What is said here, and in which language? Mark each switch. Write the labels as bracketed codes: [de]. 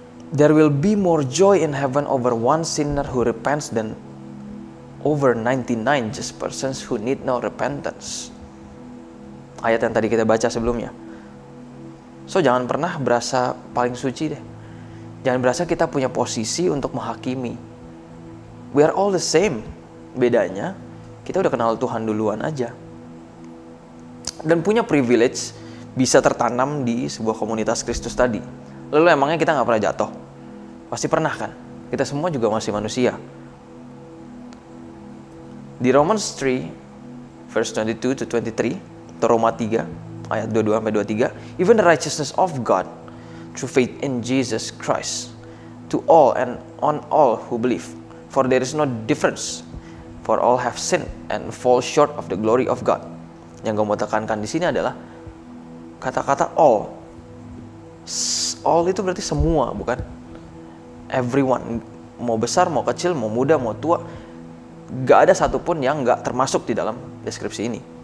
[en] There will be more joy in heaven over one sinner who repents than over 99 just persons who need no repentance. [id] Ayat yang tadi kita baca sebelumnya. So jangan pernah berasa paling suci deh. Jangan berasa kita punya posisi untuk menghakimi. [en] We are all the same. [id] Bedanya, kita udah kenal Tuhan duluan aja. Dan punya privilege bisa tertanam di sebuah komunitas Kristus tadi. Lalu emangnya kita gak pernah jatuh? Pasti pernah kan? Kita semua juga masih manusia. [en] Di Romans 3, verse 22-23, [id] atau Roma 3, ayat 22-23, [en] even the righteousness of God, through faith in Jesus Christ, to all and on all who believe, for there is no difference, for all have sinned and fall short of the glory of God. [id] Yang gue mau tekankan di sini adalah kata-kata all. All itu berarti semua, bukan? Everyone, mau besar, mau kecil, mau muda, mau tua, gak ada satupun yang gak termasuk di dalam deskripsi ini.